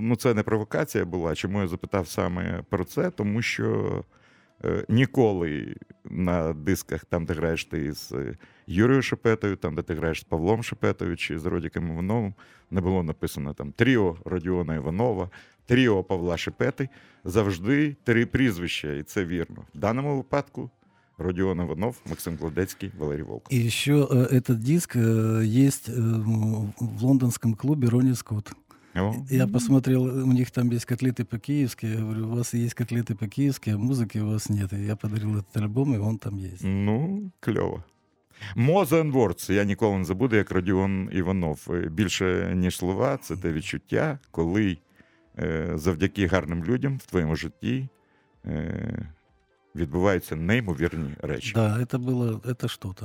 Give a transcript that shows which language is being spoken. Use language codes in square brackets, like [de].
[uk] Ну, це не провокація була, чому я запитав саме про це, тому що ніколи на дисках, там, де граєш ти з Юрією Шепетою, там, де ти граєш з Павлом Шепетою чи з Родіком Івановим, не було написано там тріо Родіона Іванова, тріо Павла Шепети. Завжди три прізвища, і це вірно. В даному випадку Родіон Іванов, Максим Гладецький, Валерій Волков. І ще цей диск є в лондонському клубі «Роні Скотт». [ru] Я посмотрел, у них там есть котлеты по-киевски. Я говорю, у вас есть котлеты по-киевски, а музыки у вас нет. И я подарил этот альбом, и он там есть. Ну, клево. [uk] «Mozen Words» я ніколи не забуду, як Родіон Іванов. Більше, ніж слова, це те відчуття, коли завдяки гарним людям в твоєму житті відбуваються неймовірні речі. Так, да, це щось.